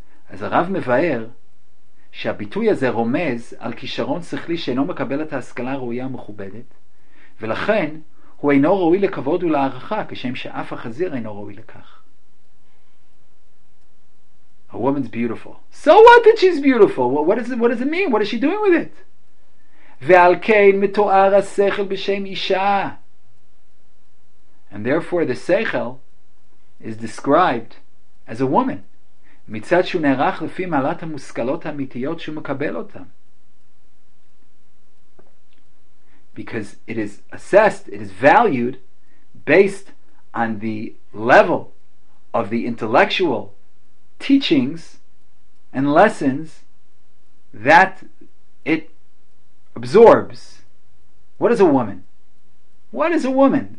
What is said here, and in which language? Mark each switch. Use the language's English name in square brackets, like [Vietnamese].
[Hebrew] As a Rav mevaer, שהביטוי הזה רומז על כישרון שכלי שאינו מקבל את ההשכלה הראויה המכובדת, ולכן הוא אינו ראוי לכבוד ולהערכה, כשם שאף החזיר אינו ראוי לכך. [English] A woman's beautiful. So what that she's beautiful? What does it mean? What is she doing with it? [Hebrew] ועל כן מתואר השכל בשם אישה. [English] And therefore the seichel is described as a woman. [Hebrew] מצד שהוא נערך לפי מעלת המושכלות האמיתיות שהוא מקבל אותן. [English] Because it is assessed, it is valued based on the level of the intellectual teachings and lessons that it absorbs. What is a woman? What is a woman?